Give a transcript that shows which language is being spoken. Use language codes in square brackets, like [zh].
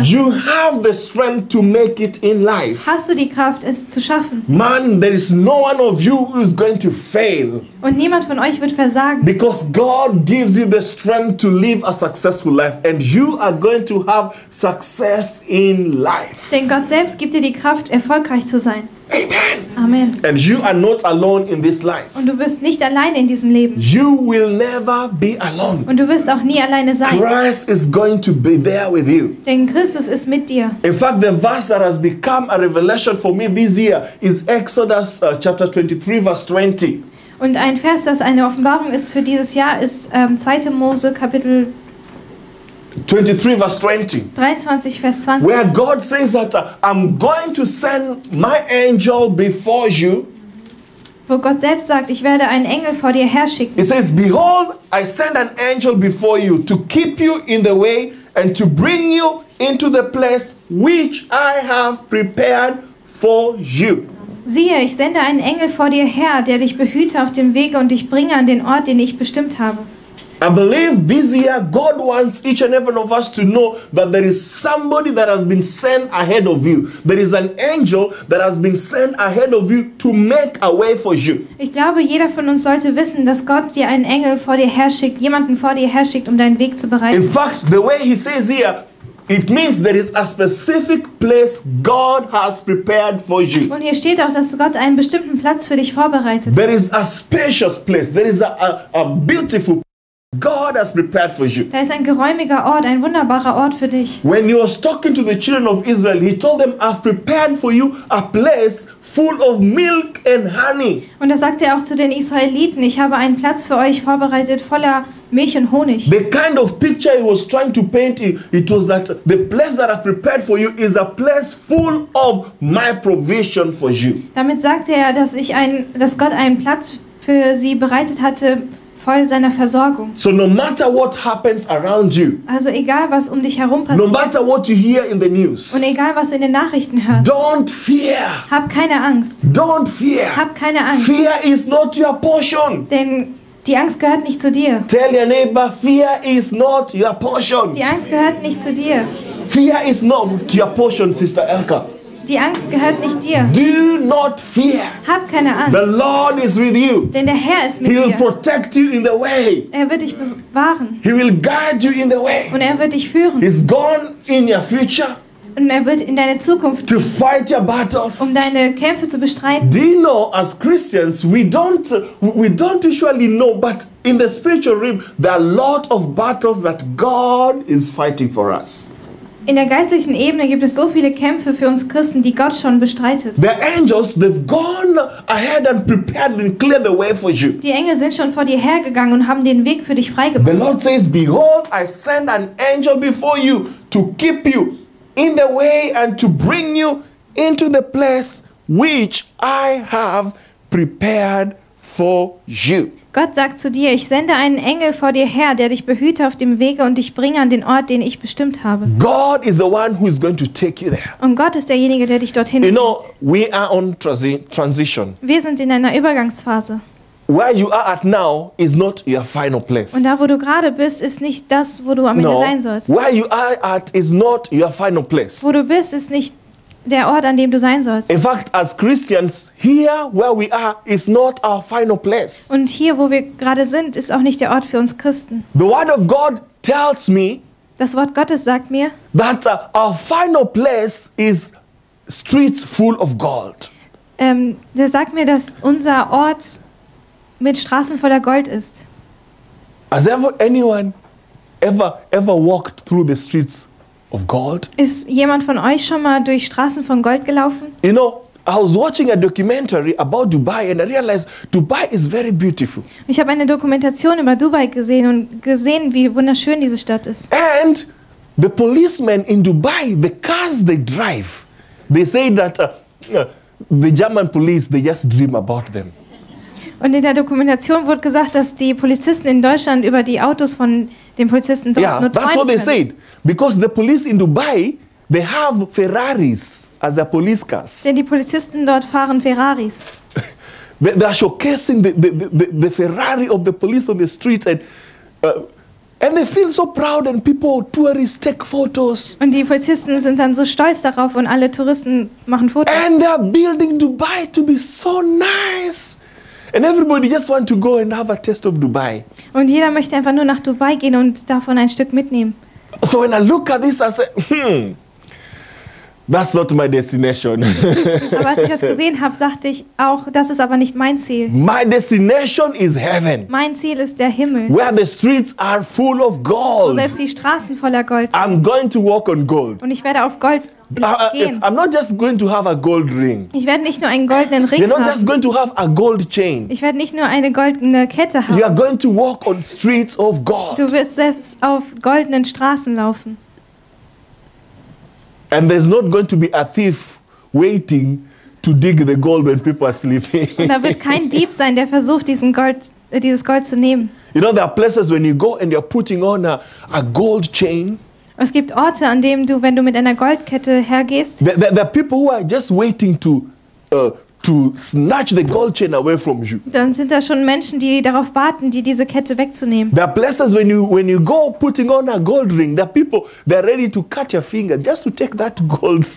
[en] you have the strength to make it in life. [de] Hast du die Kraft, es zu schaffen? [en] Man, there is no one of you who is going to fail. [de] Und niemand von euch wird versagen. [en] Because God gives you the strength to live a successful life, and you are going to have success in life. [de] Denn Gott selbst gibt dir die Kraft, erfolgreich zu sein. [en] Amen. [de] Amen. [en] And you are not alone in this life. [de] Und du wirst nicht alleine in diesem Leben. [en] You will never be alone. [de] Und du wirst auch nie alleine sein. [en] Christ is going to be there with you. [de] Denn Christus ist mit dir. [en] In fact, the verse that has become a revelation for me this year is Exodus chapter 23, verse 20. [de] Und ein Vers, das eine Offenbarung ist für dieses Jahr, ist 2. Mose Kapitel [en] 23, verse 20. [de] 23, Vers 20. [en] Where God says that I'm going to send my angel before you. [de] Wo Gott selbst sagt, ich werde einen Engel vor dir herschicken. [en] It says, behold, I send an angel before you to keep you in the way and to bring you into the place which I have prepared for you. [de] Siehe, ich sende einen Engel vor dir her, der dich behüte auf dem Wege und dich bringe an den Ort, den ich bestimmt habe. [en] I believe this year God wants each and every one of us to know that there is somebody that has been sent ahead of you. There is an angel that has been sent ahead of you to make a way for you. [de] Ich glaube, jeder von uns sollte wissen, dass Gott dir einen Engel vor dir herschickt, jemanden vor dir herschickt, um deinen Weg zu bereiten. [en] In fact, the way he says here, it means there is a specific place God has prepared for you. [de] Und hier steht auch, dass Gott einen bestimmten Platz für dich vorbereitet. [en] There is a spacious place. There is a beautiful place God has prepared for you. [de] Da ist ein geräumiger Ort, ein wunderbarer Ort für dich. [en] When he was talking to the children of Israel, he told them, I've prepared for you a place full of milk and honey. [de] Und da sagte er auch zu den Israeliten, ich habe einen Platz für euch vorbereitet voller Milch und Honig. [en] The kind of picture he was trying to paint, it was that the place that I've prepared for you is a place full of my provision for you. [de] Damit sagte er, dass Gott einen Platz für sie bereitet hatte, voll seiner Versorgung. [en] So no matter what happens around you, [de] also egal was um dich herum passiert, [en] no matter what you hear in the news, [de] und egal was du in den Nachrichten hörst, [en] don't fear. [de] Hab keine Angst. [en] Don't fear. [de] Hab keine Angst. [en] Fear is not your portion. [de] Denn die Angst gehört nicht zu dir. [en] Tell your neighbor, fear is not your portion. [de] Die Angst gehört nicht zu dir. [en] Fear is not your portion, Sister Elka. [de] Die Angst gehört nicht dir. [en] Do not fear. [de] Hab keine Angst. [en] The Lord is with you. [de] Denn der Herr ist mit [en] He'll [de] dir. [en] He'll protect you in the way. [de] Er wird dich bewahren. [en] He will guide you in the way. [de] Und er wird dich führen. [en] He's gone in your future. [de] Und er wird in deine Zukunft [en] to fight your battles, [de] um deine Kämpfe zu bestreiten. [en] Do you know, as Christians, we don't usually know, but in the spiritual realm, there are a lot of battles that God is fighting for us. [de] In der geistlichen Ebene gibt es so viele Kämpfe für uns Christen, die Gott schon bestreitet. [en] The angels, they've gone ahead and prepared and cleared the way for you. [de] Die Engel sind schon vor dir hergegangen und haben den Weg für dich freigebracht. [en] The Lord says, behold, I send an angel before you to keep you in the way and to bring you into the place which I have prepared for you. [de] Gott sagt zu dir, ich sende einen Engel vor dir her, der dich behüte auf dem Wege und dich bringe an den Ort, den ich bestimmt habe. [en] God is the one who is going to take you there. [de] Und Gott ist derjenige, der dich dorthin bringt. [en] You know, we are on transition. [de] Wir sind in einer Übergangsphase. [en] Where you are at now is not your final place. [de] Und da, wo du gerade bist, ist nicht das, wo du am Ende sein sollst. [en] Where you are at is not your final place. [de] Wo du bist, ist nicht der Ort, an dem du sein sollst. [en] In fact, as Christians, here where we are is not our final place. [de] Und hier, wo wir gerade sind, ist auch nicht der Ort für uns Christen. [en] The Word of God tells me. [de] Das Wort Gottes sagt mir. [en] That our final place is streets full of gold. [de] Der sagt mir, dass unser Ort mit Straßen voller Gold ist. [en] Has ever anyone ever walked through the streets of gold? [de] Ist jemand von euch schon mal durch Straßen von Gold gelaufen? [en] You know, I was watching a documentary about Dubai and I realized Dubai is very beautiful. [de] Ich habe eine Dokumentation über Dubai gesehen und gesehen, wie wunderschön diese Stadt ist. [en] And the policemen in Dubai, the cars they drive, they say that the German police, they just dream about them. [de] Und in der Dokumentation wurde gesagt, dass die Polizisten in Deutschland über die Autos von den Polizisten dort nur träumen. [en] That's what they said. Because the police in Dubai, they have Ferraris as their police cars. [de] Denn die Polizisten dort fahren Ferraris. [en] They are showcasing the Ferrari of the police on the streets and they feel so proud and people, tourists take photos. [de] Und die Polizisten sind dann so stolz darauf und alle Touristen machen Fotos. [en] And they are building Dubai to be so nice. And everybody just want to go and have a taste of Dubai. [de] Und jeder möchte einfach nur nach Dubai gehen und davon ein Stück mitnehmen. [en] So when I look at this, I say, that's not my destination. [de] Aber als ich das gesehen habe, sagte ich auch, das ist aber nicht mein Ziel. [en] My destination is heaven. [de] Mein Ziel ist der Himmel. [en] Where the streets are full of gold. [de] Wo selbst die Straßen voller Gold sind. [en] I'm going to walk on gold. [de] Und ich werde auf Gold gehen. [en] I'm not just going to have a gold ring. [de] Ich werde nicht nur einen goldenen Ring haben. [en] You're not just going to have a gold chain. [de] Ich werde nicht nur eine goldene Kette haben. [en] You are going to walk on streets of gold. [de] Du wirst selbst auf goldenen Straßen laufen. [en] And there's not going to be a thief waiting to dig the gold when people are sleeping. [de] Und da wird kein Dieb sein, der versucht, dieses Gold zu nehmen. [en] You know, there are places when you go and you're putting on a gold chain. [de] Es gibt Orte, an denen du, wenn du mit einer Goldkette hergehst, [en] there are people who are just waiting to snatch the gold chain away from you. [de] Dann sind da schon Menschen, die darauf warten, die diese Kette wegzunehmen. [en] There are places when you go putting on a gold ring, there are people that are ready to cut your finger just to take that gold.